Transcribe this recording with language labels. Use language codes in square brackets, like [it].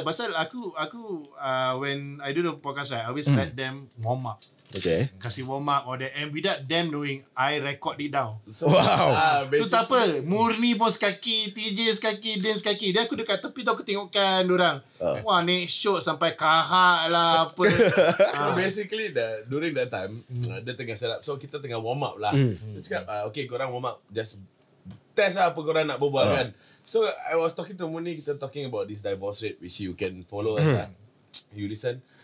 [ms] Pasal aku [en] when I do the podcast, right, I always let them warm up. Okay. Kasih warm up or that. And without them knowing, I record it down. So, wow. [ms] Tu tak apa. Murni pun sekaki, TJ sekaki, Dan sekaki. Dia aku dekat tepi tu aku tengokkan diorang. Wah, ni show sampai kahak lah apa. [en] So basically, during that time, [ms] dia tengah [en] set up. So [ms] kita tengah [en] warm up lah. [ms] Dia cakap, okay korang warm up. [en] Just test [ms] lah apa korang nak berbual kan. [en] So I was talking to Murni, kita talking about this divorce rate, which you can follow us lah. You listen.